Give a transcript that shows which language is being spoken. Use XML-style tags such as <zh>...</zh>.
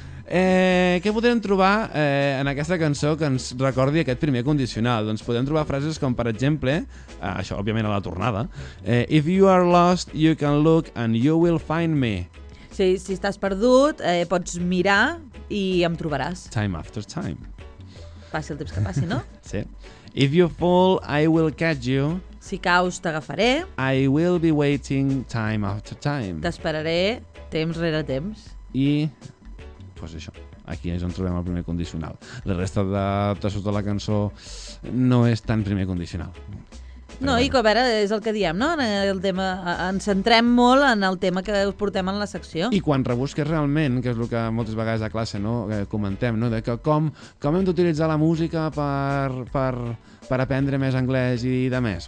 <ca>Què podem trobar en aquesta cançó que ens recordi aquest primer condicional? Doncs podem trobar frases com, per exemple, això òbviament a la tornada,</ca> <en>If you are lost, you can look and you will find me.</en> <ca>Sí, si estàs perdut, pots mirar i em trobaràs.</ca> <en>Time after time.</en> <ca>Passi el temps que passi, no? Sí.</ca> <en>If you fall, I will catch you.</en> <ca>Si caus, t'agafaré.</ca> <en>I will be waiting time after time.</en> <ca>T'esperaré temps rere temps. I... pues això, aquí és on trobem el primer condicional. La resta de trossos de la cançó no és tan primer condicional. No, però, bueno. I a veure, és el que diem, no? El tema, ens centrem molt en el tema que us portem en la secció. I quan rebusques realment, que és el que moltes vegades a classe no comentem, no? De que com hem d'utilitzar la música per aprendre més anglès i demés.</ca>